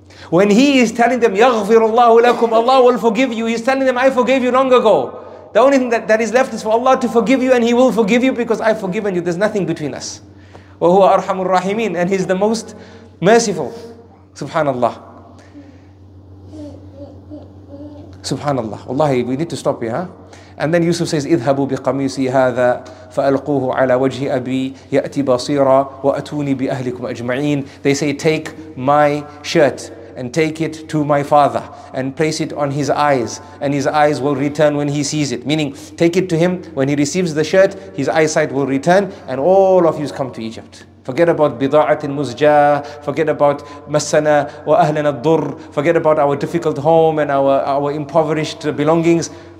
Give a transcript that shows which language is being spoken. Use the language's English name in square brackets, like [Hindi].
[English] When he is telling them, [Arabic] يَغْفِرُ اللَّهُ لَكُمْ, [English] Allah will forgive you, he's telling them, I forgave you long ago. The only thing that is left is for Allah to forgive you, and he will forgive you because I've forgiven you. There's nothing between us. [Arabic] وَهُوَ أَرْحَمُ الرَّاحِمِينَ. [English] And he's the most merciful. Subhanallah. Subhanallah. Wallahi, we need to stop here, huh? And then Yusuf says, [Arabic] اذهبوا بقميصي هذا فألقوه على وجه أبي يأتي بصيرا وأتوني بأهلكم أجمعين. [English] They say, take my shirt and take it to my father and place it on his eyes, and his eyes will return when he sees it. Meaning, take it to him, when he receives the shirt, his eyesight will return and all of you come to Egypt. Forget about [Arabic] بِضَاعَةٍ مُزْجَاهٍ, [English] forget about [Arabic] مَسَّنَا وَأَهْلَنَا الضُّرْ, [English] forget about our difficult home and our impoverished belongings.